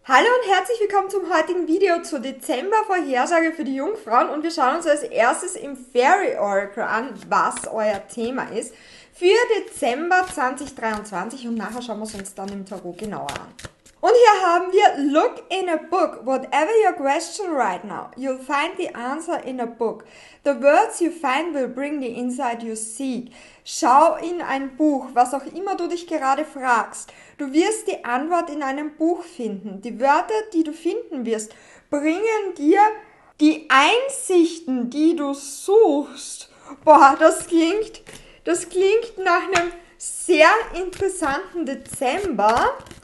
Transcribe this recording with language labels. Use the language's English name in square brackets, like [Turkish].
[German] Hallo und herzlich willkommen zum heutigen Video zur Dezember-Vorhersage für die Jungfrauen. Und wir schauen uns als erstes im Fairy Oracle an, was euer Thema ist für Dezember 2023. Und nachher schauen wir es uns dann im Tarot genauer an. Und hier haben wir [English] Look in a book. Whatever your question right now, you'll find the answer in a book. The words you find will bring the insight you seek. [German] Schau in ein Buch, was auch immer du dich gerade fragst. Du wirst die Antwort in einem Buch finden. Die Wörter, die du finden wirst, bringen dir die Einsichten, die du suchst. Boah, das klingt nach einem sehr interessanten Dezember.